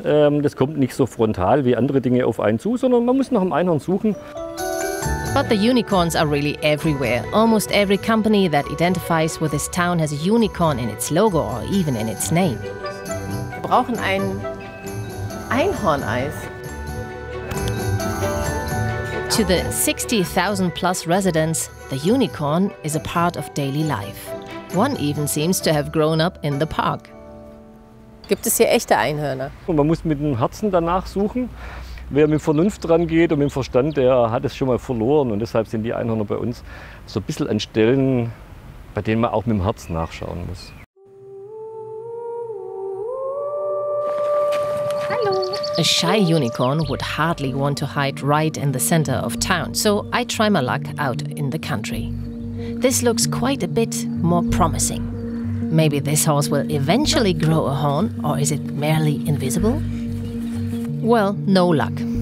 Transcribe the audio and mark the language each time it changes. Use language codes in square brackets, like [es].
[de] Das kommt nicht so frontal wie andere Dinge auf einen zu, sondern man muss nach dem Einhorn suchen. [en] But the unicorns are really everywhere. Almost every company that identifies with this town has a unicorn in its logo or even in its name. [de] Wir brauchen ein Einhorn-Eis. [en] To the 60,000 plus residents, the unicorn is a part of daily life. One even seems to have grown up in the park. [de] Gibt es hier echte Einhörner? Und man muss mit dem Herzen danach suchen. Wer mit Vernunft dran geht und mit Verstand, der hat es schon mal verloren. Und deshalb sind die Einhörner bei uns so ein bisschen an Stellen, bei denen man auch mit dem Herz nachschauen muss. Hallo. [en] A shy unicorn would hardly want to hide right in the center of town, so I try my luck out in the country. This looks quite a bit more promising. Maybe this horse will eventually grow a horn, or is it merely invisible? Well, no luck.